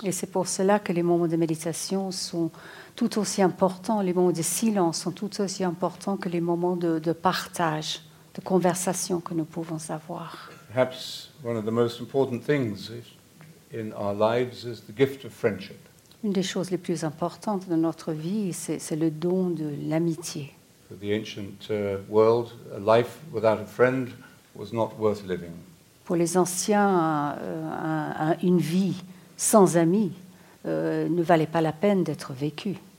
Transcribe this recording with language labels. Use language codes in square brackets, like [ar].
[fr] Et c'est pour cela que les moments de méditation sont tout aussi importants, les moments de silence sont tout aussi importants que les moments de partage, de conversation que nous pouvons avoir. [en] Perhaps one of the most important things in our lives is the gift of friendship. [fr] Une des choses les plus importantes de notre vie, c'est le don de l'amitié. [en] For the ancient world, a life without a friend was not worth living. [fr] Pour les anciens, une vie sans amis ne valait pas la peine d'être vécue.